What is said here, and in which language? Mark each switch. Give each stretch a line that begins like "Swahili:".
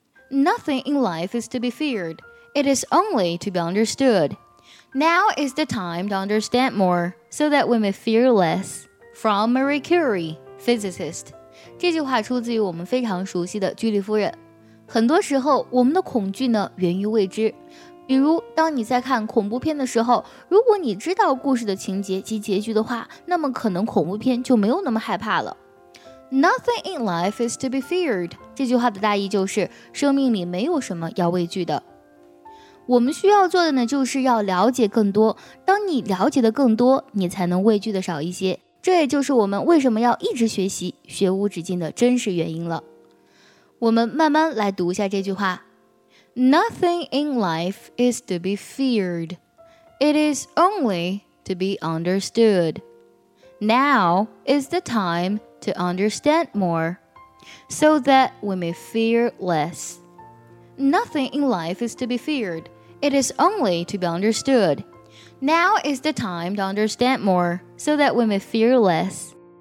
English: nothing in life is to be feared. It is only to be understood. Now is the time to understand more, so that we may fear less. From Marie Curie, physicist.
Chinese: 这句话出自于我们非常熟悉的居里夫人。很多时候，我们的恐惧呢，源于未知。比如，当你在看恐怖片的时候，如果你知道故事的情节及结局的话，那么可能恐怖片就没有那么害怕了。
English: Nothing in life is to be feared.
Chinese: 这句话的大意就是，生命里没有什么要畏惧的。我们需要做的呢，就是要了解更多。当你了解的更多，你才能畏惧的少一些。这也就是我们为什么要一直学习，学无止境的真实原因了。我们慢慢来读一下这句话。
English: Nothing in life is to be feared. It is only to be understood. Now is the time to understand more, so that we may fear less. Nothing in life is to be feared. It is only to be understood. Now is the time to understand more, so that we may fear less.